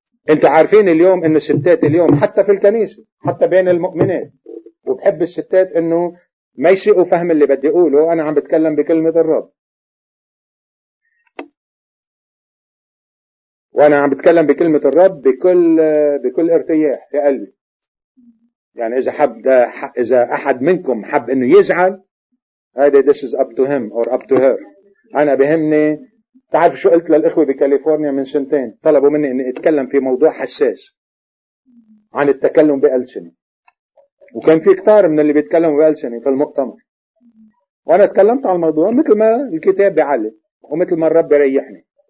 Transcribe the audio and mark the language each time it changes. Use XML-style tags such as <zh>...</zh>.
<ar>انت عارفين اليوم ان الستات اليوم حتى في الكنيسة حتى بين المؤمنات، وبحب الستات انه ما يسيئوا فهم اللي بدي أقوله، أنا عم بتكلم بكلمة الرب، وأنا عم بتكلم بكلمة الرب بكل ارتياح في قلبي. يعني إذا أحد منكم حب إنه يزعل، هذا</ar> <en>this is up to him or up to her.</en> <ar>أنا بهمني، تعرف شو قلت للإخوة بكاليفورنيا من سنتين؟ طلبوا مني إني أتكلم في موضوع حساس عن التكلم بألسنة، وكان في كتار من اللي بيتكلموا بألسنة في المؤتمر، وأنا تكلمت على الموضوع مثل ما الكتاب بيعلم ومثل ما الرب بيريحني.</ar>